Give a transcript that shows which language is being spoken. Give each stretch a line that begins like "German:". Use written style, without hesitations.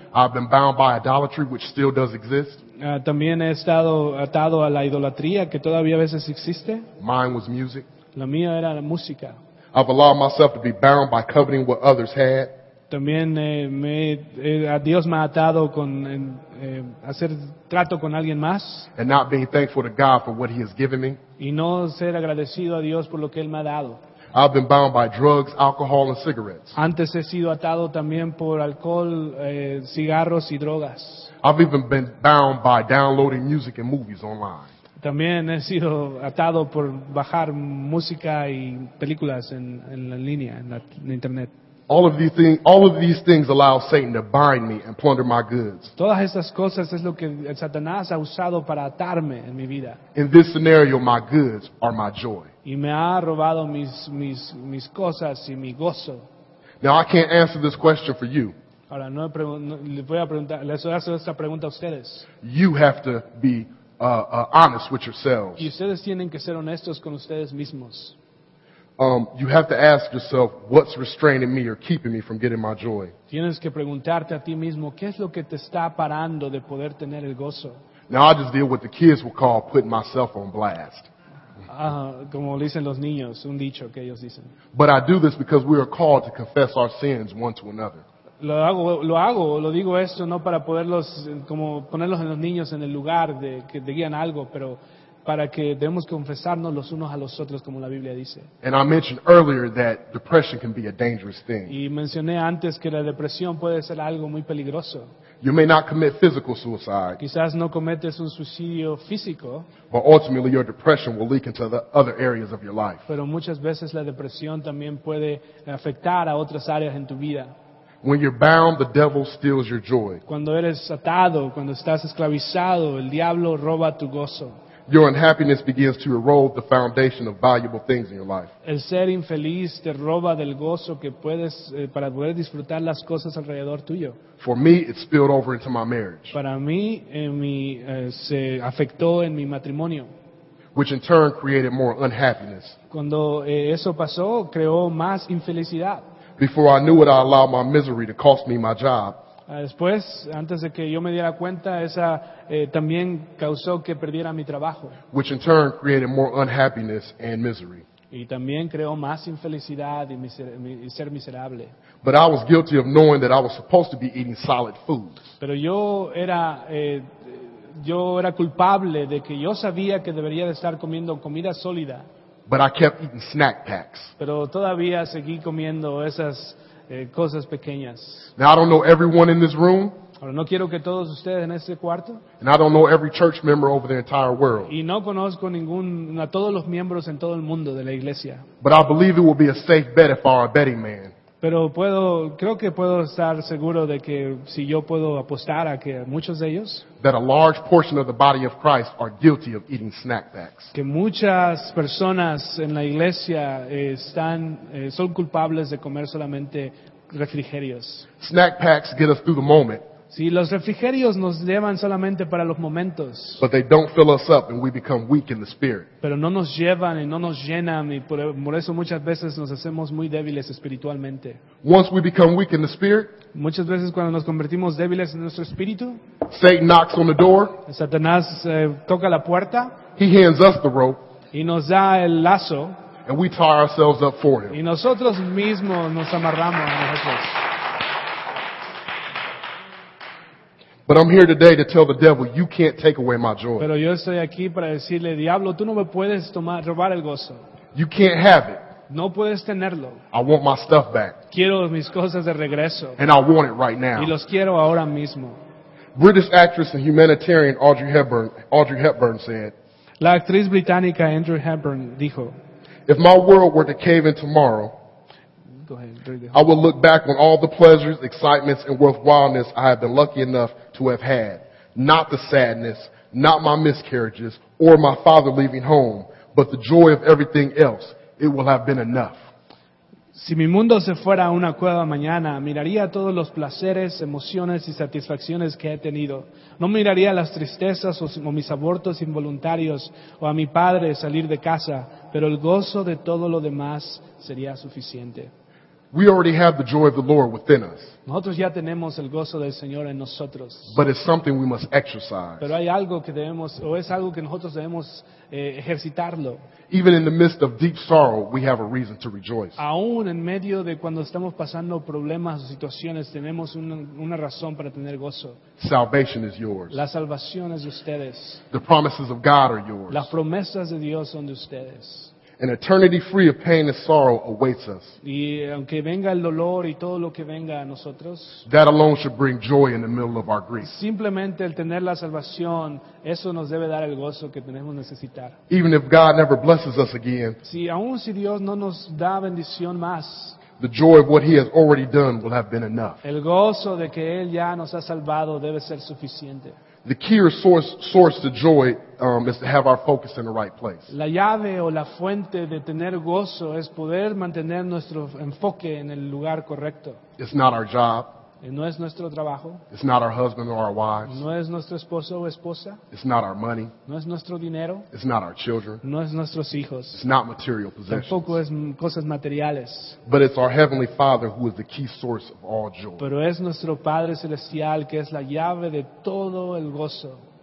English: I've been bound by idolatry, which still does exist.
Spanish: También he estado atado a la idolatría, que todavía a veces existe.
English: Mine was music.
Spanish: La mía era la música.
English: I've allowed myself to be bound by coveting what others had.
Spanish: También a Dios me ha atado con hacer trato con alguien más.
English: And not being thankful to God for what He has given me.
Spanish: Y no ser agradecido a Dios por lo que Él me ha dado.
English: I've been bound by drugs, alcohol, and cigarettes.
Spanish: Antes he sido atado también por alcohol, cigarros y drogas.
English: I've even been bound by downloading music and movies online.
Spanish: También he sido atado por bajar música y películas en la línea, en internet.
English: All of these things allow Satan to bind me and plunder my goods.
Spanish: Todas estas cosas es lo que Satanás ha usado para atarme en mi vida.
English: In this scenario, my goods are my joy.
Spanish: Y me ha robado mis cosas y mi gozo.
English: Now I can't answer this question for you.
Spanish: Ahora no les voy a hacer esta pregunta a ustedes.
English: You have to be honest with yourselves.
Spanish: Y ustedes tienen que ser honestos con ustedes mismos.
English: You have to ask yourself, what's restraining me or keeping me from getting my joy?
Spanish: Tienes que preguntarte a ti mismo, ¿qué es lo que te está parando de poder tener el gozo?
English: Now I just deal with what the kids would call putting myself on blast.
Spanish: Como dicen los niños, un dicho que ellos dicen.
English: But I do this because we are called to confess our sins one to another.
Spanish: Lo digo esto no para poderlos, como ponerlos en los niños en el lugar de que digan algo, pero para que debemos confesarnos los unos a los otros, como la Biblia dice.
English: And I mentioned earlier that depression can be a dangerous thing.
Spanish: Y mencioné antes que la depresión puede ser algo muy peligroso.
English: You may not commit physical suicide.
Spanish: Quizás no cometes un suicidio físico.
English: But ultimately your depression will leak into the other areas of your life.
Spanish: Pero muchas veces la depresión también puede afectar a otras áreas en tu vida.
English: When you're bound, the devil steals your joy.
Spanish: Cuando eres atado, cuando estás esclavizado, el diablo roba tu gozo.
English: Your unhappiness begins to erode the foundation of valuable things in your life.
Spanish: El ser infeliz te roba del gozo que puedes para poder disfrutar las cosas alrededor tuyo.
English: For me, it spilled over into my marriage.
Spanish: Para mí, se afectó en mi matrimonio.
English: Which in turn created more unhappiness.
Spanish: Cuando eso pasó, creó más infelicidad.
English: Before I knew it, I allowed my misery to cost me my job.
Spanish: Después, antes de que yo me diera cuenta, esa también causó que perdiera mi trabajo.
English: Which in turn created more unhappiness and misery.
Spanish: Y también creó más infelicidad y ser miserable.
English: But I was guilty of knowing that I was supposed to be eating solid food.
Spanish: Pero yo era culpable de que yo sabía que debería de estar comiendo comida sólida.
English: But I kept eating snack packs.
Spanish: Pero todavía seguí comiendo esas cosas pequeñas.
English: Now I don't know everyone in this room.
Spanish: Ahora, no quiero que todos ustedes en este cuarto.
English: And I don't know every church member over the entire world.
Spanish: Y no conozco a todos los miembros en todo el mundo de la iglesia.
English: But I believe it will be a safe bet if I were a betting man.
Spanish: Pero creo que puedo estar seguro de que si yo puedo apostar a que muchos de ellos.
English: That a large portion of the body of Christ are guilty of eating snack packs.
Spanish: Que muchas personas en la iglesia son culpables de comer solamente refrigerios.
English: Snack packs get us through the moment.
Spanish: Sí, los refrigerios nos llevan solamente para los momentos.
English: But they don't fill us up and we become weak in the spirit.
Spanish: Pero no nos llevan y no nos llenan y por eso muchas veces nos hacemos muy débiles espiritualmente.
English: Once we become weak in the spirit,
Spanish: muchas veces cuando nos convertimos débiles en nuestro espíritu,
English: Satan knocks on the door.
Spanish: Satanás toca la puerta.
English: He hands us the rope.
Spanish: Y nos da el lazo.
English: And we tie ourselves up for him.
Spanish: Y nosotros mismos nos amarramos a nosotros.
English: But I'm here today to tell the devil, you can't take away my joy.
Spanish: Pero yo estoy aquí para decirle, diablo, tú no me puedes robar el gozo.
English: You can't have it.
Spanish: No puedes tenerlo.
English: I want my stuff back.
Spanish: Quiero mis cosas de regreso.
English: And I want it right now.
Spanish: Y los quiero ahora mismo.
English: British actress and humanitarian Audrey Hepburn said,
Spanish: la actriz británica Audrey Hepburn dijo,
English: if my world were to cave in tomorrow, I will look back on all the pleasures, excitements, and worthwhileness I have been lucky enough to have had. Not the sadness, not my miscarriages, or my father leaving home, but the joy of everything else. It will have been enough.
Spanish: Si mi mundo se fuera a una cueva mañana, miraría todos los placeres, emociones y satisfacciones que he tenido. No miraría las tristezas o mis abortos involuntarios o a mi padre salir de casa, pero el gozo de todo lo demás sería suficiente.
English: We already have the joy of the Lord within us.
Spanish: Nosotros ya tenemos el gozo del Señor en nosotros.
English: But it's something we must exercise.
Spanish: Pero hay algo que debemos, o es algo que nosotros debemos ejercitarlo.
English: Even in the midst of deep sorrow, we have a reason to rejoice.
Spanish: Aún en medio de cuando estamos pasando problemas o situaciones, tenemos una razón para tener gozo.
English: Salvation is yours.
Spanish: La salvación es de ustedes.
English: The promises of God are yours.
Spanish: Las promesas de Dios son de ustedes.
English: An eternity free of pain and sorrow awaits us.
Spanish: Y aunque venga el dolor y todo lo que venga a nosotros,
English: that alone should bring joy in the middle of our grief.
Spanish: Simplemente el tener la salvación, eso nos debe dar el gozo que tenemos necesitar.
English: Even if God never blesses us again,
Spanish: si aun si Dios no nos da bendición más,
English: the joy of what He has already done will have been enough.
Spanish: El gozo de que Él ya nos ha salvado debe ser suficiente.
English: The key or source to joy is to have our focus in the right place.
Spanish: La llave o la fuente de tener gozo es poder mantener nuestro enfoque en el lugar correcto.
English: It's not our job.
Spanish: No es nuestro trabajo.
English: It's not our husband or our wives.
Spanish: No es nuestro esposo o esposa.
English: It's not our money.
Spanish: No es nuestro dinero.
English: It's not our children.
Spanish: No es nuestros hijos.
English: It's not material possessions.
Spanish: Tampoco es cosas materiales.
English: But it's our Heavenly Father who is the key source of all joy.
Spanish: Pero es nuestro Padre Celestial que es la llave de todo el gozo.